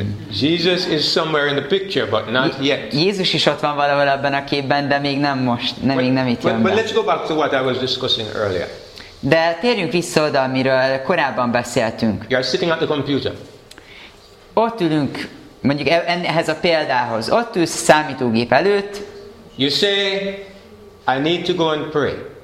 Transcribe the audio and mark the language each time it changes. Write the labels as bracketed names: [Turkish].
[English] Jesus is somewhere in the picture, but not yet. [Hungarian] Jézus is ott van valahol ebben a képben, de még nem most, nem még nem itt jön. [English] But let's go back to what I was discussing earlier. [Hungarian] De térjünk vissza oda, amiről korábban beszéltünk. [English] You're sitting at the computer. [Hungarian] Ott ülünk. Mondjuk ehhez a példához. Ott ülsz a számítógép előtt. [English] You say, I need to go and pray.